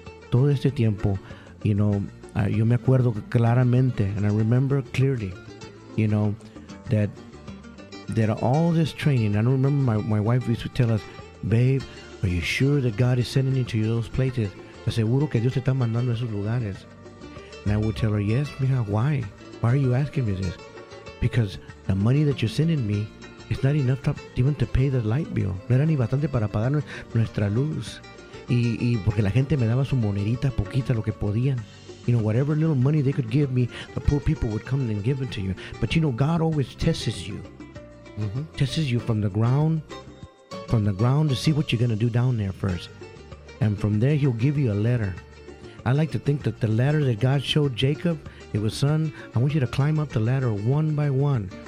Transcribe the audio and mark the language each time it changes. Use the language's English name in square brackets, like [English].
[Spanish] Todo este tiempo, [English] you know, [Spanish] yo me acuerdo claramente, [English] and I remember clearly, you know, that all this training, I remember my wife used to tell us, "Babe, are you sure that God is sending you to those places? [Spanish] ¿Seguro que Dios te está mandando a esos lugares?" [English] And I would tell her, "Yes, mija, why? Why are you asking me this?" "Because the money that you're sending me is not enough to pay the light bill. [Spanish] No era ni bastante para pagar nuestra luz. Y porque la gente me daba su monedita poquita, lo que podían. [English] You know, whatever little money they could give me, the poor people would come and give it to you. But, you know, God always tests you. Tests you from the ground to see what you're going to do down there first. And from there, he'll give you a letter. I like to think that the ladder that God showed Jacob, it was, "Son, I want you to climb up the ladder one by one.